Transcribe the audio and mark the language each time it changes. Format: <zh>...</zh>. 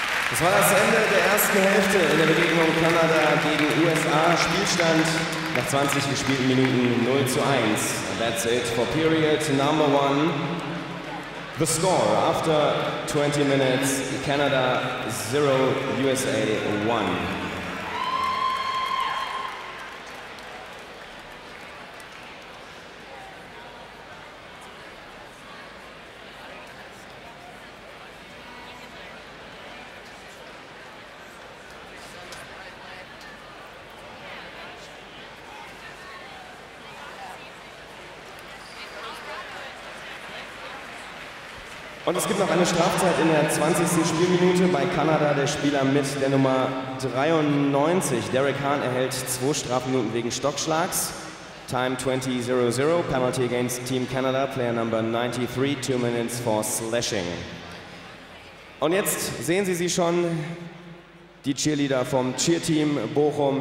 <de>Das war das Ende der ersten Hälfte in der Begegnung Kanada gegen USA. Spielstand nach 20 gespielten Minuten 0:1.</de> <en>That's it for period number one. The score after 20 minutes, Canada 0, USA 1.</en> <de>Und es gibt noch eine Strafzeit in der 20. Spielminute. Bei Kanada der Spieler mit der Nummer 93, Derek Hahn, erhält 2 Strafminuten wegen Stockschlags.</de> <en>Time 20:00, penalty against Team Canada, player number 93, 2 minutes for slashing.</en> <de>Und jetzt sehen Sie sie schon, die Cheerleader vom Cheerteam Bochum.</de>